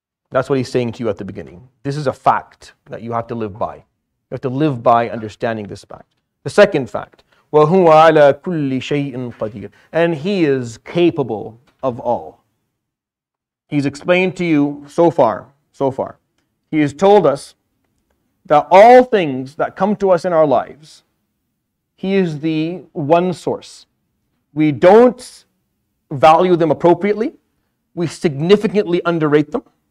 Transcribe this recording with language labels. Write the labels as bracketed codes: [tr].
[en] That's what he's saying to you at the beginning. This is a fact that you have to live by. You have to live by understanding this fact. The second fact, [ar] وَهُوَ عَلَى كُلِّ شَيْءٍ قَدِيرٍ. [en] And he is capable of all. He's explained to you so far. He has told us that all things that come to us in our lives, he is the one source. We don't value them appropriately. We significantly underrate them.